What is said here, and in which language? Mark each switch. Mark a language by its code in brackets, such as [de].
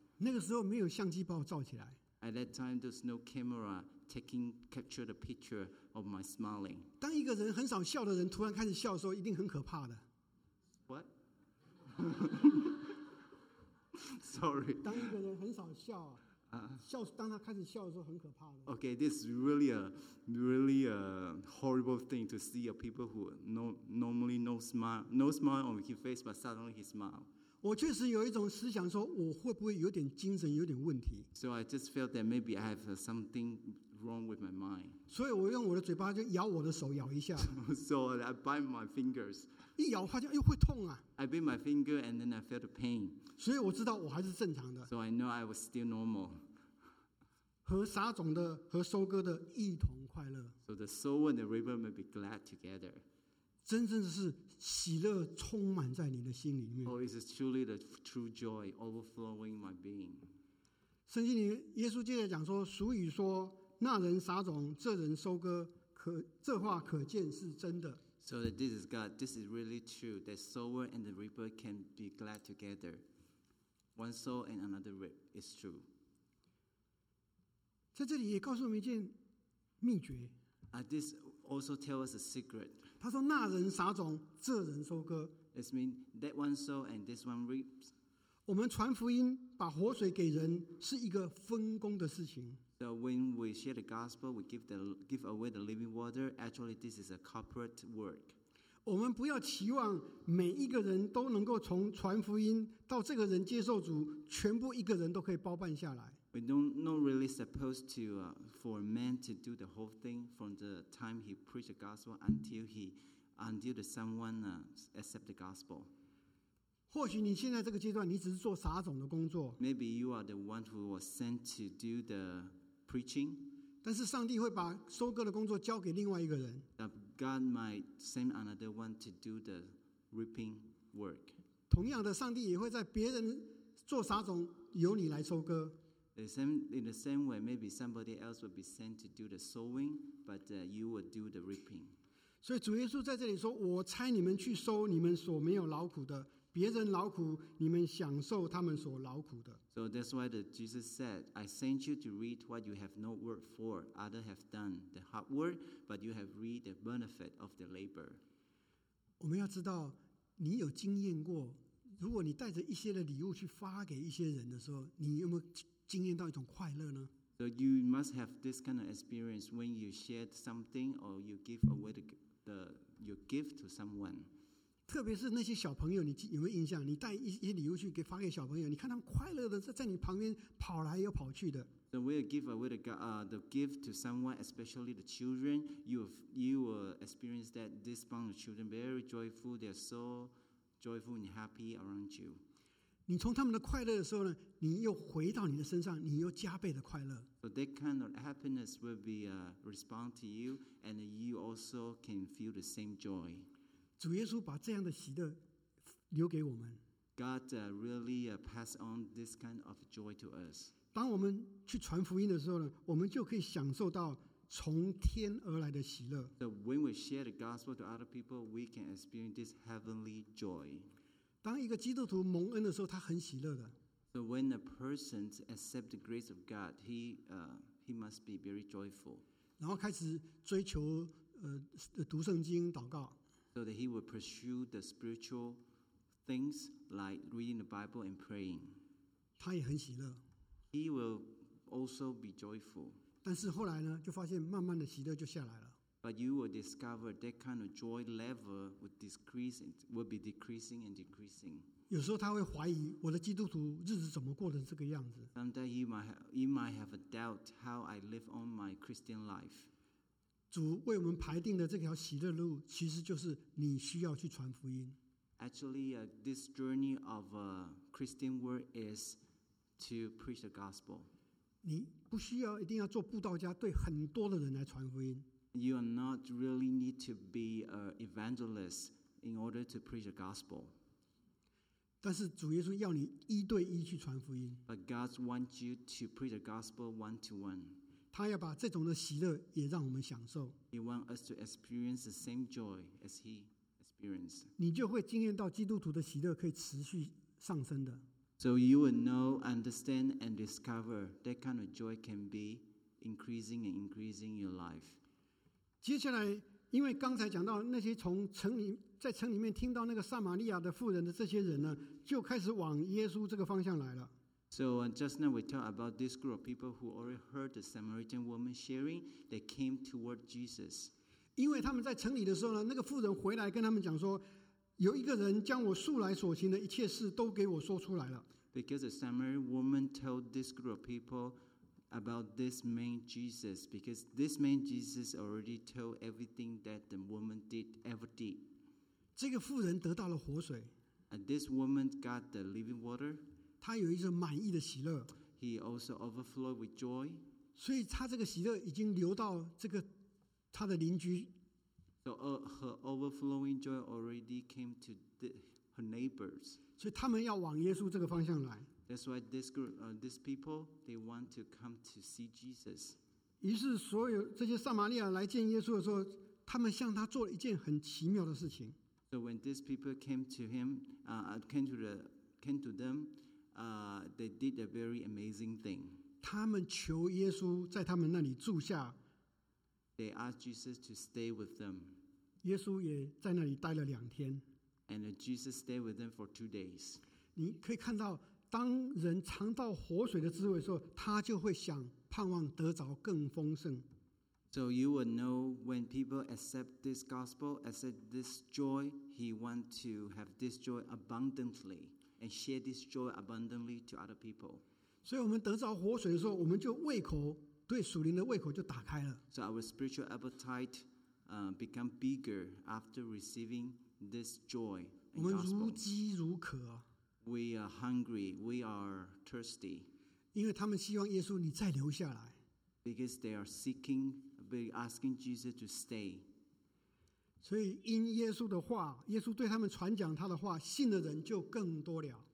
[zh] 那个时候没有相机把我照起来。 [en] At that time, there's no camera capture the picture of my smiling. [zh] 当一个人很少笑的人突然开始笑的时候，一定很可怕的。 [en] What? Sorry. [zh] 当一个人很少笑，笑当他开始笑的时候很可怕的。 [en] Okay, this is really a really a horrible thing to see a people who normally no smile on his face, but suddenly he smile. [zh] 我确实有一种思想说我会不会有点精神有点问题。 [en] So I just felt that maybe I have something wrong with my mind. [zh] 所以我用我的嘴巴就咬我的手咬一下。 [en] So I bite my fingers. [zh] 一咬发现又会痛啊。 [en] I bit my finger and then I felt the pain. [zh] 所以我知道我还是正常的。 [en] So I know I was still normal. [zh] 和撒种的和收割的一同快乐。 [en] So the sower and the reaper may be glad together. [zh] 真正是喜乐充满在你的心里面。 [en] Oh, it is truly the true joy overflowing my being. [zh] 圣经里耶稣接着讲说，俗语说，那人撒种，这人收割，这话可见是真的。 [en] So that this is God, this is really true, that sower and the reaper can be glad together. One sow and another reap is true. [zh] 在这里也告诉我们一件秘诀。 [en] This also tells us a secret. [zh] 他说：“那人撒种，这人收割。” [en] This means that one sow and this one reaps. [zh] 我们传福音，把活水给人，是一个分工的事情。 [en] So when we share the gospel, we give away the living water. Actually, this is a corporate work. [zh] 我们不要期望每一个人都能够从传福音到这个人接受主，全部一个人都可以包办下来。 [en] We don't really supposed to for a man to do the whole thing from the time he preached the gospel until the someone accept the gospel. [zh] 或许你现在这个阶段，你只是做撒种的工作。 [en] Maybe you are the one who was sent to do the preaching. [zh] 但是上帝会把收割的工作交给另外一个人。 [en] God might send another one to do the reaping work. [zh] 同样的，上帝也会在别人做撒种，由你来收割。 [en] In the same way, maybe somebody else will be sent to do the sowing, but you will do the reaping. [zh] 所以主耶稣在这里说，我差你们去收你们所没有劳苦的，别人劳苦，你们享受他们所劳苦的。 [en] So that's why Jesus said, I sent you to reap what you have not worked for. Others have done the hard work, but you have reaped the benefit of the labor. [zh] 我们要知道，你有经验过，如果你带着一些的礼物去发给一些人的时候，你有没有经验到一种快乐呢？ [en] So you must have this kind of experience when you shared something or you give away your gift to someone. [zh] 特别是那些小朋友，你有没有印象？你带一些礼物去给发给小朋友，你看他们快乐的在你旁边跑来又跑去的。 [en] So when you give away the gift to someone, especially the children, you will experience that this bunch of children very joyful. They are so joyful and happy around you. [zh] 你从他们的快乐的时候呢，你又回到你的身上，你又加倍的快乐。 [en] So that kind of happiness will be a respond to you, and you also can feel the same joy. [zh] 主耶稣把这样的喜乐留给我们。 [en] God really pass on this kind of joy to us. [zh] 当我们去传福音的时候呢，我们就可以享受到从天而来的喜乐。 [en] So when we share the gospel to other people, we can experience this heavenly joy. [zh] 当一个基督徒蒙恩的时候，他很喜乐的。 [en] So when a person accepts the grace of God, he must be very joyful. [zh] 然后开始追求读圣经、祷告。 [en] So that he will pursue the spiritual things like reading the Bible and praying. [zh] 他也很喜乐。 [en] He will also be joyful. [zh] 但是后来呢，就发现慢慢的喜乐就下来了。 [en] But you will discover that kind of joy level will be decreasing and decreasing. [zh] 有时候他会怀疑我的基督徒日子怎么过得这个样子。 [en] Sometimes you might have a doubt how I live on my Christian life. [zh] 主为我们排定的这条喜乐路，其实就是你需要去传福音。 [en] Actually, this journey of a Christian work is to preach the gospel. [zh] 你不需要一定要做布道家，对很多的人来传福音。 [en] You are not really need to be an evangelist in order to preach the gospel. [zh] 但是主耶稣要你一对一去传福音。 [en] But God wants you to preach the gospel one to one. [zh] 他要把这种的喜乐也让我们享受。 [en] He wants us to experience the same joy as he experienced. [zh] 你就会经验到基督徒的喜乐可以持续上升的。 [en] So you will know, understand, and discover that kind of joy can be increasing and increasing in your life. [zh] 接下来，因为刚才讲到那些从城里在城里面听到那个撒玛利亚的妇人的这些人呢，就开始往耶稣这个方向来了。 [en] So just now we talk about this group of people who already heard the Samaritan woman sharing. They came toward Jesus. [zh] 因为他们在城里的时候呢，那个妇人回来跟他们讲说，有一个人将我素来所行的一切事都给我说出来了。 [en] Because the Samaritan woman told this group of people. About this man Jesus, because this man Jesus already told everything that the woman ever did. [zh] 这个妇人得到了活水。 [en] And this woman got the living water. [zh] 她有一种满意的喜乐。 [en] He also overflowed with joy. [zh] 所以她这个喜乐已经流到这个她的邻居。 [en] So her overflowing joy already came to her neighbors. [zh] 所以他们要往耶稣这个方向来。 [en] That's why this group, these people, they want to come to see Jesus. [zh] 于是所有这些撒玛利亚来见耶稣的时候，他们向他做了一件很奇妙的事情。 [en] So when these people came to him, they did a very amazing thing. [zh] 他们求耶稣在他们那里住下。 [en] They asked Jesus to stay with them. [zh] 耶稣也在那里待了两天。 [en] And Jesus stayed with them for 2 days. [zh] 你可以看到。当人尝到活水的滋味的时候，他就会想盼望得着更丰盛。 [en] So you will know when people accept this gospel, accept this joy, he wants to have this joy abundantly and share this joy abundantly to other people. [zh] 所以我们得着活水的时候，我们就胃口，对属灵的胃口就打开了。 [en] So our spiritual appetite become bigger after receiving this joy and gospel. [zh] 我们如饥如渴。 [en] We are hungry, we are thirsty. [zh] 因为他们希望耶稣你再留下来。 [en] Because they are seeking, asking Jesus to stay. [zh] 所以因耶稣的话，耶稣对他们传讲他的话，信的人就更多了。